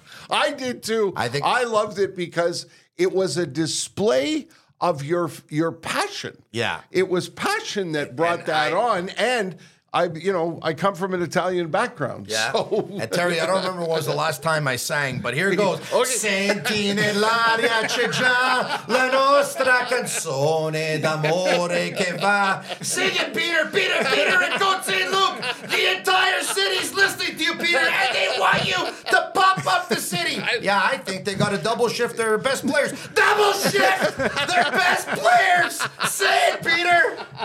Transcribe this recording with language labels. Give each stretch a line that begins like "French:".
English: I did too. I loved it because it was a display of your passion. Yeah. It was passion that brought on. And I come from an Italian background. Yeah. So. And Terry, I don't remember what was the last time I sang, but here it goes. Okay.
Italian: Senti nell'aria c'è già la nostra canzone d'amore che va.
English: Sing it, Peter, and go say, look, the entire city's listening to you, Peter, and they want you to pop up the city. I think they got to double shift their best players. Double shift their best players. Say it, Peter.